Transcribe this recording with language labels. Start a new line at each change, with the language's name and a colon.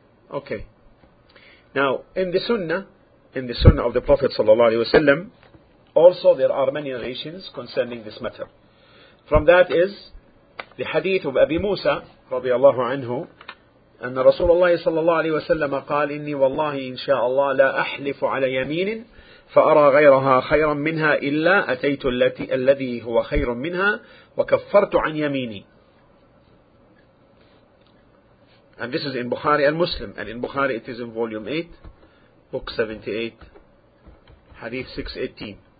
English: Okay. Now, in the Sunnah of the Prophet sallallahu alaihi wasallam, also there are many narrations concerning this matter. From that is the hadith of Abi Musa radiyallahu anhu.
Arabic: أن رسول الله صلى الله عليه وسلم قال إني والله إن شاء الله لا أحلف على يمين فأرى غيرها خيرا منها إلا أتيت الذي هو خير منها وكفرت عن يميني.
English: And this is in Bukhari and Muslim. And in Bukhari it is in volume 8, book 78, hadith 618.